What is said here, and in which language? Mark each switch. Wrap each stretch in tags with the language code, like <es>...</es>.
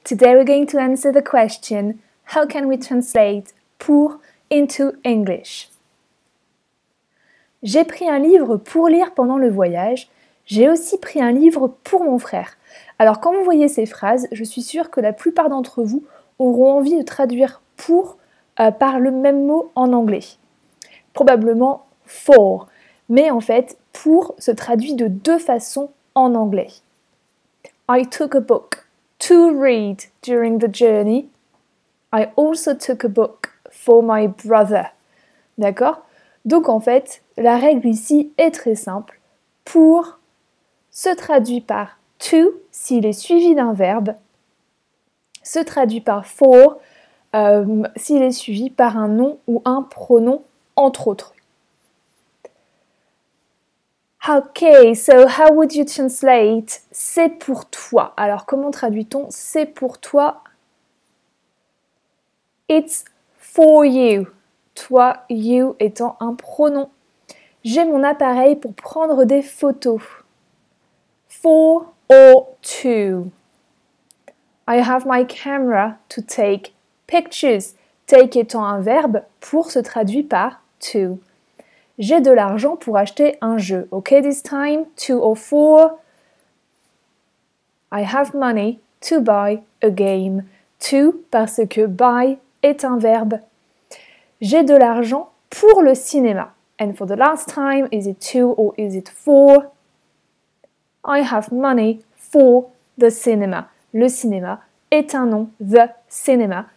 <en>Today we're going to answer the question, how can we translate pour into English?</en> <fr>J'ai pris un livre pour lire pendant le voyage. J'ai aussi pris un livre pour mon frère. Alors quand vous voyez ces phrases, je suis sûre que la plupart d'entre vous auront envie de traduire pour par le même mot en anglais. Probablement for. Mais en fait, pour se traduit de deux façons en anglais.</fr> <en>I took a book to read during the journey. I also took a book for my brother.</en> <fr>D'accord? Donc en fait, la règle ici est très simple. Pour se traduit par to s'il est suivi d'un verbe. Se traduit par for s'il est suivi par un nom ou un pronom, entre autres.</fr> <en>Okay, so how would you translate</en> <fr>c'est pour toi? Alors, comment traduit-on c'est pour toi?</fr> <en>It's for you. Toi, you</en> <fr>étant un pronom. J'ai mon appareil pour prendre des photos.</fr> <en>For or to. I have my camera to take pictures.</en> <fr>Take étant un verbe, pour se traduit par to. J'ai de l'argent pour acheter un jeu.</fr> <en>Okay, this time, two or four. I have money to buy a game.</en> <fr>To, parce que buy est un verbe. J'ai de l'argent pour le cinéma.</fr> <en>And for the last time, is it two or is it four? I have money for the cinema.</en> <fr>Le cinéma est un nom,</fr> <en>the cinema.</en>